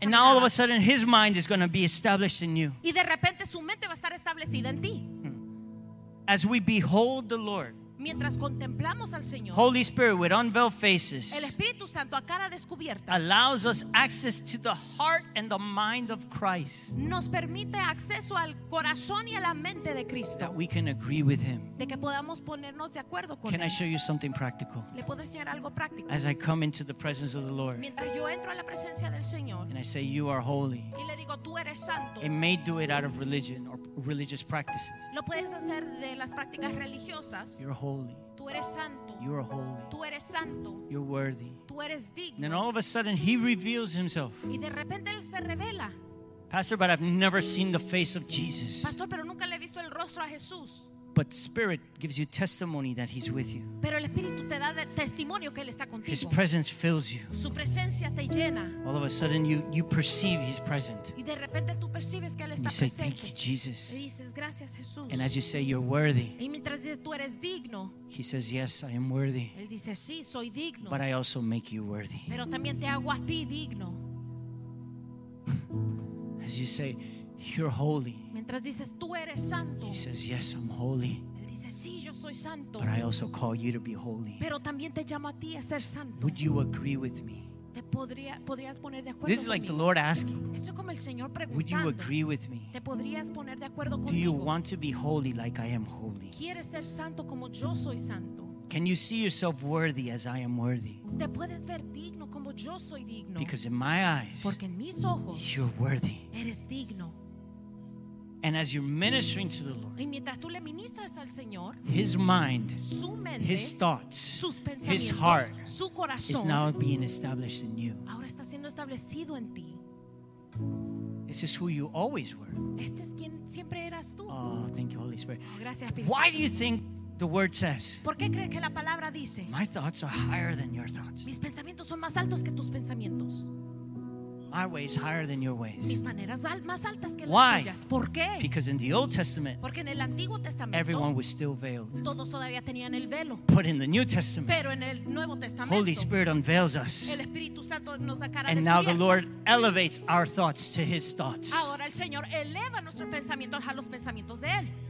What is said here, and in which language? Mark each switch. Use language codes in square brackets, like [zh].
[es] caminaba. [en] And now all of a sudden His mind is going to be established in you. [es] Y de repente su mente va a estar establecida en ti. [en] As we behold the Lord. [es] Mientras contemplamos al Señor. [en] Holy Spirit with unveiled faces. [es] El Espíritu Santo a cara descubierta. [en] Allows us access to the heart and the mind of Christ. [es] Nos permite acceso al corazón y a la mente de Cristo. [en] That we can agree with Him. [es] De que podamos ponernos de acuerdo con [en] can Can I show you something practical? [es] Le puedo enseñar algo práctico. [en] As I come into the presence of the Lord. [es] Mientras yo entro a la presencia del Señor. [en] And I say, You are holy. [es] Y le digo, Tú eres santo. [en] It may do it out of religion or religious practices. [es] Lo puedes hacer de las prácticas religiosas. [en] You're holy. [es] Tú eres santo. [en] You are holy. [es] Tú eres santo. [en] You're worthy. [es] Tú eres digno. [en] And then all of a sudden He reveals Himself. [es] Y de repente él se revela. [en] Pastor, but I've never seen the face of Jesus. [es] Pastor, pero nunca le he visto el rostro a Jesús. [en] But Spirit gives you testimony that He's with you. [es] Pero el Espíritu te da testimonio que él está contigo. [en] His presence fills you. [es] Su presencia te llena. [en] All of a sudden you perceive He's present. [es] Y de repente tú percibes que él está [en] you [es] presente. [en] Say, Thank you, Jesus. [es] Y dices, Gracias, Jesús. [en] And as you say, You're worthy. [es] Y mientras dices, tú eres digno. [en] He says, Yes, I am worthy. [es] Él dice, sí, soy digno. [en] But I also make you worthy. [es] Pero también te hago a ti digno. [en] As you say, You're holy. [es] Mientras dices, tú eres santo. [en] He says, Yes, I'm holy. [es] Él dice, sí, yo soy santo. [en] But I also call you to be holy. [es] Pero también te llamo a ti a ser santo. [en] Would you agree with me? [es] ¿Podrías poner de acuerdo conmigo? [en] This is like the Lord asking. [es] Esto es como el Señor preguntando. [en] Would you agree with me? [es] ¿Te podrías poner de acuerdo conmigo? [en] Do you want to be holy like I am holy? [es] ¿Quieres ser santo como yo soy santo? [en] Can you see yourself worthy as I am worthy? [es] ¿Te puedes ver digno como yo soy digno? [en] Because in my eyes, [es] porque en mis ojos, [en] you're worthy. [es] Eres digno. [en] And as you're ministering to the Lord, [es] y mientras tú le ministras al Señor, [en] his mind, [es] su mente, [en] his thoughts, [es] sus pensamientos, [en] his heart, [es] su corazón, [en] is now being established in you. [es] Ahora está siendo establecido en ti. [en] This is who you always were. [es] Este es quien siempre eras tú. [en] Oh, thank you, Holy Spirit. [es] Gracias, Espíritu. [en] Why do you think the word says, [es] ¿por qué crees que la palabra dice, [en] my thoughts are higher than your thoughts? [es] Mis pensamientos son más altos que tus pensamientos. [en] My ways higher than your ways. [es] Mis maneras más altas que [en] Why? [es] Las ¿Por qué? [en] Because in the Old Testament, [es] porque en el Antiguo Testamento, [en] everyone was still veiled. [es] Todos todavía tenían el velo. [en] But in the New Testament, [es] pero en el Nuevo Testamento, [en] Holy Spirit unveils us. [es] El Espíritu Santo nos da cara [en] and [es] de [en] now Spirit. The Lord elevates our thoughts to his thoughts. [es] Ahora el Señor eleva nuestros pensamientos a los pensamientos de él.